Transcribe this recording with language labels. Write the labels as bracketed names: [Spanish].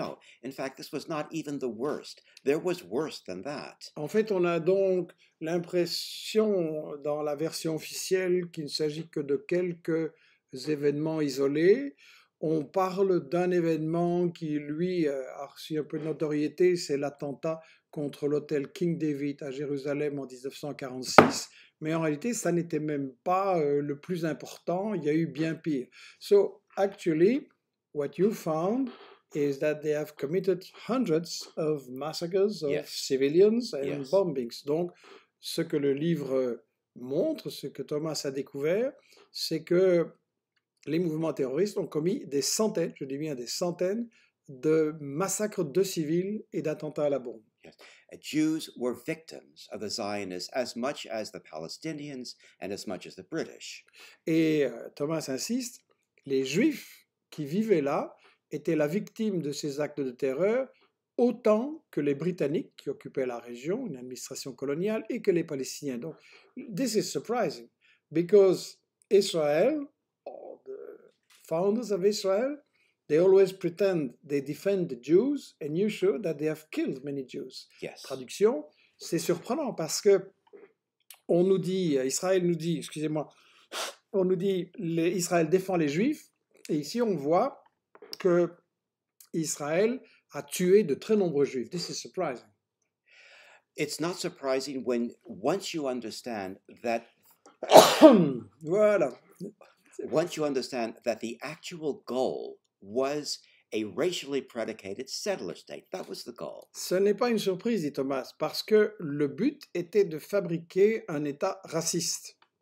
[English] No, in fact, this was not even the worst. There was worse than that. [French] En fait, on a donc l'impression dans la version officielle qu'il ne s'agit que de quelques événements isolés. On parle d'un événement qui, lui, a reçu un peu de notoriété, c'est l'attentat contre l'hôtel King David à Jérusalem en 1946. Mais en réalité, ça n'était même pas le plus important, il y a eu bien pire. [English] So, actually, what you found is that they have committed hundreds of massacres of civilians and bombings. [French] Donc, ce que le livre montre, ce que Thomas a découvert, c'est que les mouvements terroristes ont commis des centaines, je dis bien des centaines, de massacres de civils et d'attentats à la bombe. [English] Yes. Jews were victims of the Zionists as much as the Palestinians and as much as the British. [French] Et Thomas insiste, les Juifs qui vivaient là étaient la victime de ces actes de terreur autant que les Britanniques qui occupaient la région, une administration coloniale, et que les Palestiniens. [English] Donc, this is surprising, because Israël, or the founders of Israel, they always pretend they defend the Jews, and you show that they have killed many Jews. Yes. [French] Traduction, c'est surprenant parce que on nous dit, Israël nous dit, excusez-moi, on nous dit Israël défend les Juifs, et ici on voit que Israël a tué de très nombreux Juifs. [English] This is surprising. It's not surprising when once you understand that. [French] Voilà. [English] Once you understand that the actual goal was a racially predicated settler state. That was the goal. [French] Ce n'est pas une surprise, dit Thomas, parce que le but était de fabriquer un État raciste.